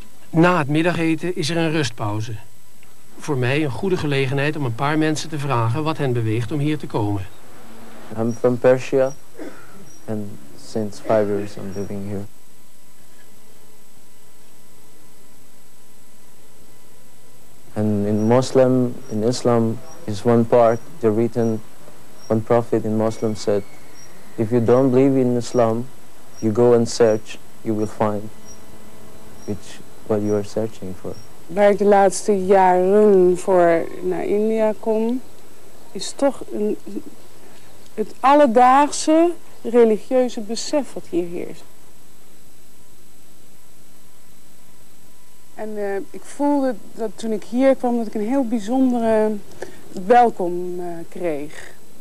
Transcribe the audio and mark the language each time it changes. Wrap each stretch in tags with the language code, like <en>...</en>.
<nl>Na het middageten is er een rustpauze. Voor mij een goede gelegenheid om een paar mensen te vragen wat hen beweegt om hier te komen.</nl> <en>I'm from Persia and since 5 years I'm living here. And in Muslim, in Islam, is one part, the written, one prophet in Muslim said, if you don't believe in Islam, you go and search, you will find, which what you are searching for.</en> <nl>Waar ik de laatste jaren voor naar India kom, is toch het alledaagse religieuze besef wat hier heerst. En ik voelde dat toen ik hier kwam, dat ik een heel bijzondere welkom kreeg.</nl>